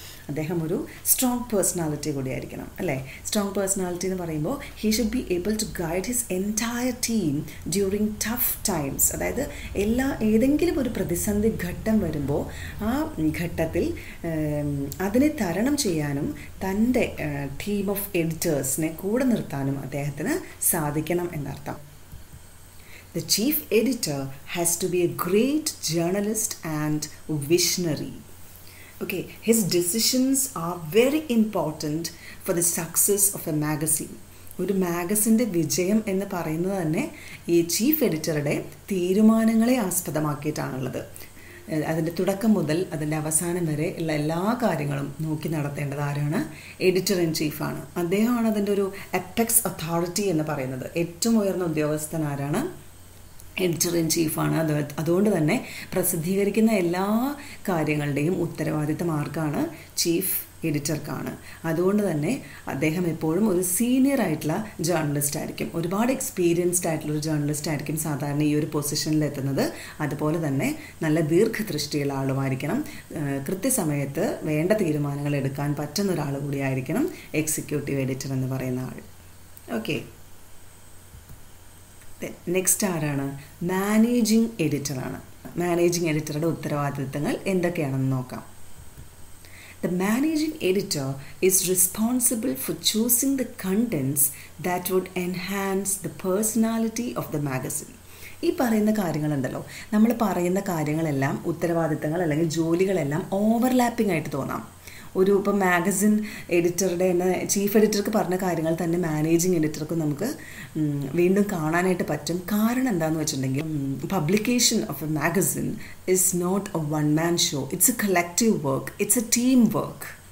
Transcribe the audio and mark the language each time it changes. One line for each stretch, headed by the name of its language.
Malayalam: അദ്ദേഹം ഒരു strong personality കൂടിയായിരിക്കണം അല്ലേ? സ്ട്രോങ് പേഴ്സണാലിറ്റി എന്ന് പറയുമ്പോൾ
English: He should be able to guide his entire team during tough times.
Malayalam: അതായത് എല്ലാ ഏതെങ്കിലും ഒരു പ്രതിസന്ധി ഘട്ടം വരുമ്പോൾ ആ ഘട്ടത്തിൽ അതിനെ തരണം ചെയ്യാനും തൻ്റെ ടീം ഓഫ് എഡിറ്റേഴ്സിനെ കൂടെ നിർത്താനും അദ്ദേഹത്തിന് സാധിക്കണം എന്നർത്ഥം.
English: The chief editor has to be a great journalist and visionary. Okay, his decisions are very important for the success of a magazine.
Malayalam: ഒരു മാഗസിൻ്റെ വിജയം എന്ന് പറയുന്നത് തന്നെ ഈ ചീഫ് എഡിറ്ററുടെ തീരുമാനങ്ങളെ ആസ്പദമാക്കിയിട്ടാണുള്ളത്. അതിൻ്റെ തുടക്കം മുതൽ അതിൻ്റെ അവസാനം വരെ ഉള്ള എല്ലാ കാര്യങ്ങളും നോക്കി നടത്തേണ്ടത് ആരാണ്? Editor in ചീഫാണ്. അദ്ദേഹമാണ് അതിൻ്റെ ഒരു അപെക്സ് അതോറിറ്റി എന്ന് പറയുന്നത്. ഏറ്റവും ഉയർന്ന ഉദ്യോഗസ്ഥൻ ആരാണ്? Editor in ചീഫാണ്. അതുകൊണ്ട് തന്നെ പ്രസിദ്ധീകരിക്കുന്ന എല്ലാ കാര്യങ്ങളുടെയും ഉത്തരവാദിത്തം ആർക്കാണ്? ചീഫ് എഡിറ്റർക്കാണ്. അതുകൊണ്ട് തന്നെ അദ്ദേഹം എപ്പോഴും ഒരു സീനിയർ ആയിട്ടുള്ള ജേർണലിസ്റ്റ് ആയിരിക്കും. ഒരുപാട് എക്സ്പീരിയൻസ്ഡ് ആയിട്ടുള്ളൊരു ജേർണലിസ്റ്റ് ആയിരിക്കും സാധാരണ ഈ ഒരു പൊസിഷനിൽ എത്തുന്നത്. അതുപോലെ തന്നെ നല്ല ദീർഘദൃഷ്ടിയുള്ള ആളുമായിരിക്കണം. കൃത്യസമയത്ത് വേണ്ട തീരുമാനങ്ങൾ എടുക്കാൻ പറ്റുന്ന ഒരാൾ കൂടിയായിരിക്കണം എക്സിക്യൂട്ടീവ് എഡിറ്റർ എന്ന് പറയുന്ന ആൾ. ഓക്കെ, നെക്സ്റ്റ് ആരാണ്? മാനേജിംഗ് എഡിറ്ററാണ്. മാനേജിംഗ് എഡിറ്ററുടെ ഉത്തരവാദിത്തങ്ങൾ എന്തൊക്കെയാണെന്ന് നോക്കാം. The
English: The managing editor is responsible for choosing the contents that would enhance the personality of the magazine.
Malayalam: ഈ പറയുന്ന കാര്യങ്ങളുണ്ടല്ലോ, നമ്മൾ പറയുന്ന കാര്യങ്ങളെല്ലാം, ഉത്തരവാദിത്തങ്ങൾ അല്ലെങ്കിൽ ജോലികളെല്ലാം ഓവർലാപ്പിംഗ് ആയിട്ട് തോന്നാം. ഒരു ഇപ്പം മാഗസിൻ എഡിറ്ററുടെ തന്നെ ചീഫ് എഡിറ്റർക്ക് പറഞ്ഞ കാര്യങ്ങൾ തന്നെ മാനേജിങ് എഡിറ്റർക്ക് നമുക്ക് വീണ്ടും കാണാനായിട്ട് പറ്റും. കാരണം എന്താണെന്ന് വെച്ചിട്ടുണ്ടെങ്കിൽ,
English: Publication of a magazine is not a one man show, it's a collective work, it's a team work.